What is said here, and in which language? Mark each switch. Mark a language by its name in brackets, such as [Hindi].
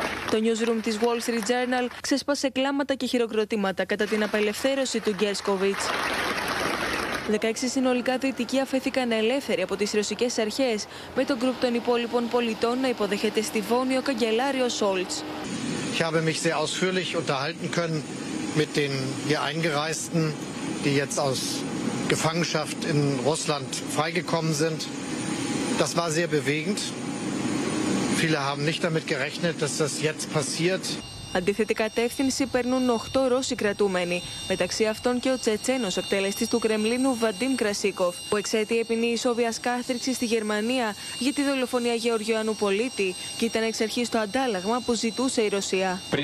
[Greek] Το newsroom της Wall Street Journal ξέσπασε κλάματα και χειροκροτήματα κατά την απελευθέρωση του Γκέρσκοβιτς. 16 συνολικά δυτικοί αφέθηκαν ελεύθεροι από τις ρωσικές αρχές, με τον γκρουπ των υπόλοιπων πολιτών να υποδέχεται στη Βόνη ο καγκελάριο Σόλτς. [German] Ich habe mich sehr ausführlich unterhalten können mit den hier Eingereisten, die jetzt aus Gefangenschaft in Russland freigekommen sind. Das war sehr bewegend. Viele haben nicht damit gerechnet, dass das jetzt passiert. [Greek] Αντίθετη κατεύθυνση περνούν 8 Ρώσοι κρατούμενοι, μεταξύ αυτών και ο Τσετσένος εκτελεστής του Κρεμλίνου Βαντίμ Κρασίκοφ, που εξαίτη επινή ισόβιας κάθριξης στη Γερμανία για τη δολοφονία Γεωργίου Ανουπολίτη και ήταν εξ αρχής το αντάλλαγμα που ζητούσε η Ρωσία.